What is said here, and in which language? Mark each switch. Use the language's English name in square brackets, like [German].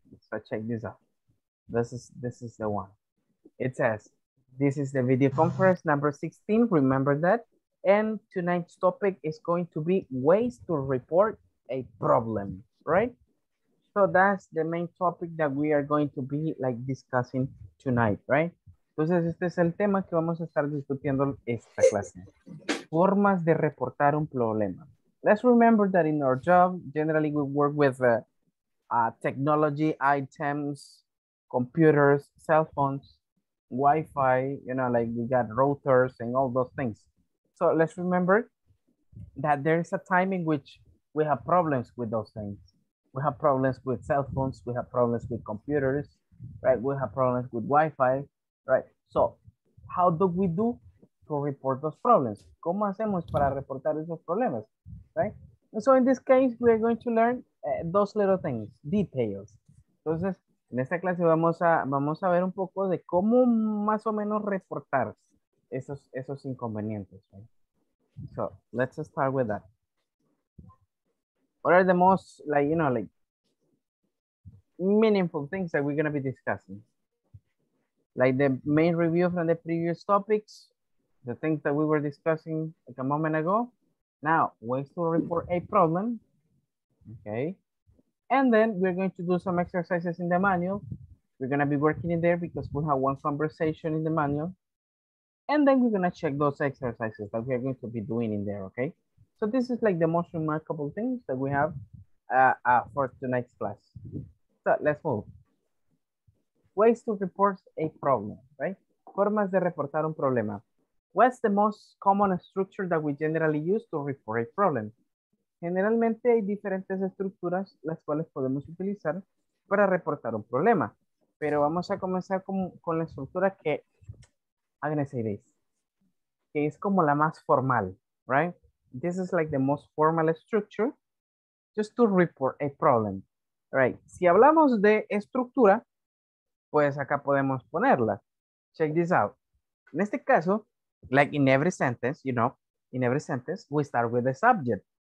[English] So check this out. This is the one. It says, this is the video conference number 16, remember that. And tonight's topic is going to be ways to report a problem, right? So that's the main topic that we are going to be like discussing tonight, right? [Spanish] Entonces, este es el tema que vamos a estar discutiendo esta clase. Formas de reportar un problema. [English] Let's remember that in our job, generally we work with technology items, computers, cell phones, Wi-Fi, you know, like we got routers and all those things. So let's remember that there is a time in which we have problems with those things. We have problems with cell phones. We have problems with computers, right? We have problems with Wi-Fi, right? So how do we do to report those problems? [Spanish] ¿Cómo hacemos para reportar esos problemas, [English] right? And so in this case, we are going to learn those little things, details. [Spanish] Entonces, en esta clase vamos a ver un poco de cómo más o menos reportar esos inconvenientes. [English] Right? So let's start with that. What are the most, like, you know, like meaningful things that we're going to be discussing? Like the main review from the previous topics, the things that we were discussing like a moment ago. Now, ways to report a problem. Okay. And then we're going to do some exercises in the manual. We're going to be working in there because we have one conversation in the manual. And then we're going to check those exercises that we are going to be doing in there, okay? So this is like the most remarkable things that we have for tonight's class. So let's move. Ways to report a problem, right? [Spanish] Formas de reportar un problema. [English] What's the most common structure that we generally use to report a problem? [Spanish] Generalmente hay diferentes estructuras las cuales podemos utilizar para reportar un problema. Pero vamos a comenzar con la estructura que agradeceréis, que es como la más formal, right? [English] This is like the most formal structure just to report a problem, right? [Spanish] Si hablamos de estructura, pues acá podemos ponerla. [English] Check this out. [Spanish] En este caso, [English] like in every sentence, you know, in every sentence, we start with the subject.